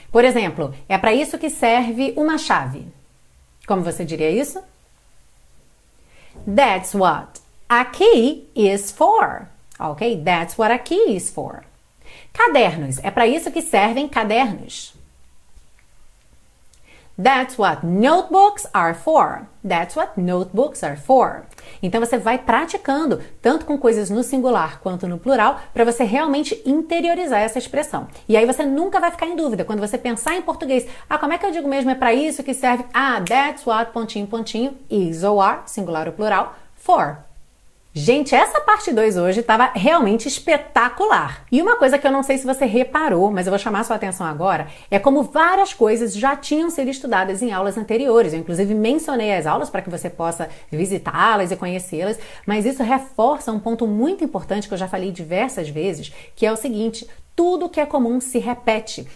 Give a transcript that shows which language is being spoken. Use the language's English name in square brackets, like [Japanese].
[Portuguese] Por exemplo, é para isso que serve uma chave. Como você diria isso? [English] That's what a key is for. Ok? That's what a key is for. [Portuguese] Cadernos. É para isso que servem cadernos. [English] That's what notebooks are for. That's what notebooks are for. [Portuguese] Então você vai praticando, tanto com coisas no singular quanto no plural, para você realmente interiorizar essa expressão. E aí você nunca vai ficar em dúvida. Quando você pensar em português, ah, como é que eu digo mesmo? É para isso que serve? [English] Ah, that's what, [Portuguese] pontinho, pontinho, [English] is or are, [Portuguese] singular ou plural, [English] for. [Portuguese] Gente, essa parte 2 hoje estava realmente espetacular. E uma coisa que eu não sei se você reparou, mas eu vou chamar a sua atenção agora, é como várias coisas já tinham sido estudadas em aulas anteriores. Eu, inclusive, mencionei as aulas para que você possa visitá-las e conhecê-las, mas isso reforça um ponto muito importante que eu já falei diversas vezes, que é o seguinte: tudo que é comum se repete.